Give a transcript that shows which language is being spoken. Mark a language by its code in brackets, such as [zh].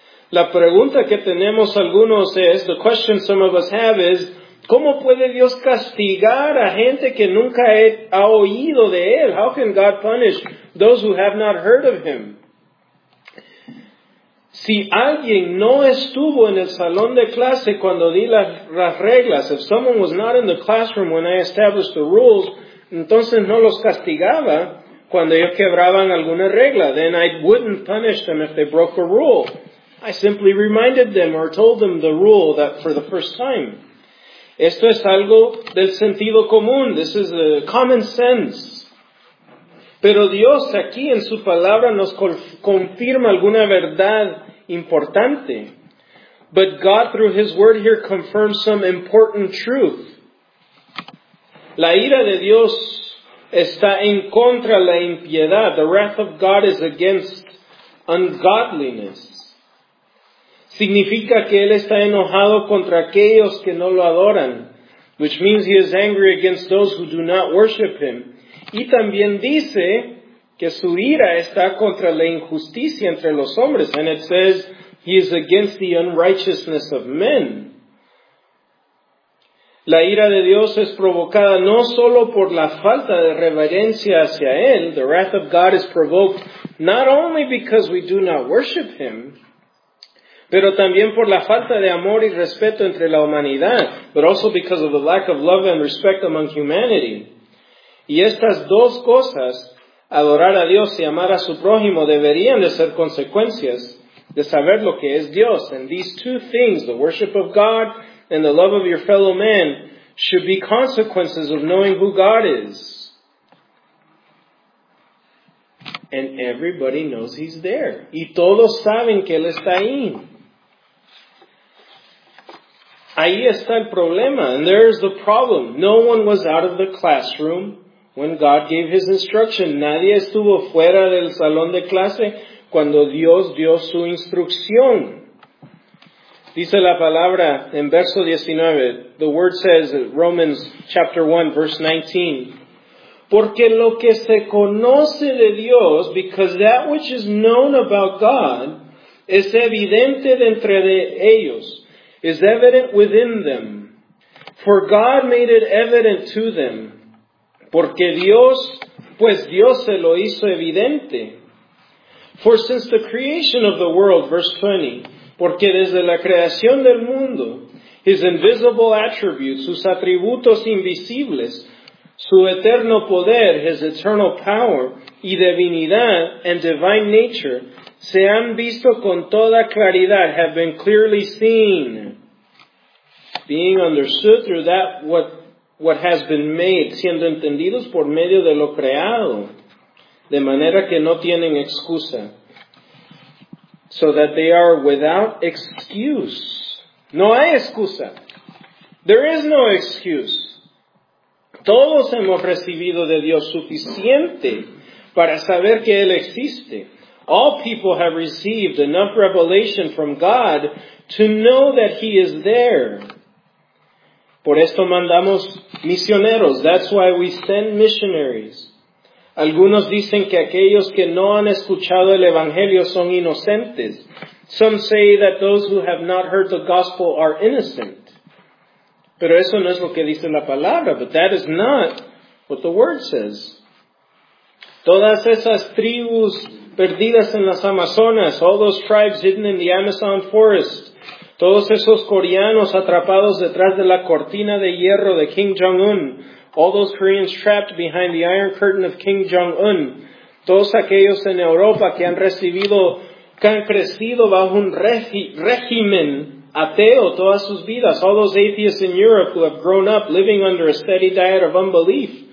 [es] La pregunta que tenemos algunos es, [en] the question some of us have is, [es] ¿cómo puede Dios castigar a gente que nunca ha oído de él? [en] How can God punish those who have not heard of him? [es] Si alguien no estuvo en el salón de clase cuando di las reglas, [en] if someone was not in the classroom when I established the rules, [es] entonces no los castigaba cuando ellos quebraban alguna regla. [en] Then I wouldn't punish them if they broke a rule. I simply reminded them or told them the rule that for the first time. [es] Esto es algo del sentido común. [en] This is the common sense. [es] Pero Dios aquí en su palabra nos confirma alguna verdad importante. [en] But God through his word here confirms some important truth. [es] La ira de Dios está en contra la impiedad. [en] The wrath of God is against ungodliness. [es] Significa que él está enojado contra aquellos que no lo adoran, [en] which means he is angry against those who do not worship him. [es] Y también dice que su ira está contra la injusticia entre los hombres, [en] and it says he is against the unrighteousness of men. [es] La ira de Dios es provocada no solo por la falta de reverencia hacia él, [en] the wrath of God is provoked not only because we do not worship him, [es] pero también por la falta de amor y respeto entre la humanidad, [en] but also because of the lack of love and respect among humanity. [es] Y estas dos cosas, adorar a Dios y amar a su prójimo, deberían de ser consecuencias de saber lo que es Dios. [en] And these two things, the worship of God and the love of your fellow man, should be consequences of knowing who God is. And everybody knows he's there. [es] Y todos saben que él está ahí. Ahí está el problema, [en] and there is the problem. No one was out of the classroom when God gave his instruction. [es] Nadie estuvo fuera del salón de clase cuando Dios dio su instrucción. Dice la palabra en verso 19. [en] The word says, Romans chapter 1, verse 19. [es] Porque lo que se conoce de Dios, [en] because that which is known about God, [es] es evidente de entre de ellos. [en] Is evident within them. For God made it evident to them. [es] Porque Dios, pues Dios se lo hizo evidente. [en] For since the creation of the world, verse 20, [es] porque desde la creación del mundo, [en] his invisible attributes, [es] sus atributos invisibles, su eterno poder, [en] his eternal power, [es] y divinidad, [en] and divine nature, [es] se han visto con toda claridad, [en] have been clearly seen, being understood through that what what has been made, [es] siendo entendidos por medio de lo creado, de manera que no tienen excusa. [en] So that they are without excuse. [es] No hay excusa. [en] There is no excuse. [es] Todos hemos recibido de Dios suficiente para saber que Él existe. [en] All people have received enough revelation from God to know that He is there. [es] Por esto mandamos misioneros. [en] That's why we send missionaries. [es] Algunos dicen que aquellos que no han escuchado el Evangelio son inocentes. [en] Some say that those who have not heard the gospel are innocent. [es] Pero eso no es lo que dice la palabra, [en] but that is not what the word says. [es] Todas esas tribus perdidas en las Amazonas, [en] all those tribes hidden in the Amazon forest, [es] todos esos coreanos atrapados detrás de la cortina de hierro de Kim Jong-un, [en] all those Koreans trapped behind the Iron Curtain of Kim Jong-un, [es] todos aquellos en Europa que han recibido, que han crecido bajo un régimen ateo todas sus vidas, [en] all those atheists in Europe who have grown up living under a steady diet of unbelief,